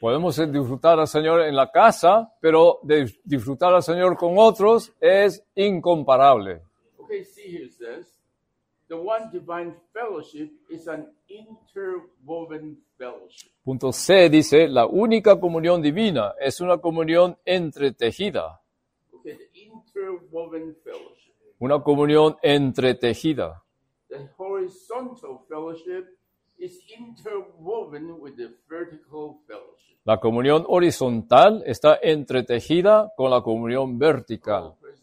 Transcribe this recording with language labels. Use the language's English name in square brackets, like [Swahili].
[Spanish] Podemos disfrutar al Señor en la casa, pero de disfrutar al Señor con otros es incomparable. [English] Okay, see here it says, the one divine fellowship is an interwoven fellowship. [Spanish] Punto C dice, la única comunión divina es una comunión entretejida. [English] Okay, the interwoven fellowship. [Spanish] Una comunión entretejida. [English] The horizontal fellowship is interwoven with the vertical fellowship. [Spanish] La comunión horizontal está entretejida con la comunión vertical.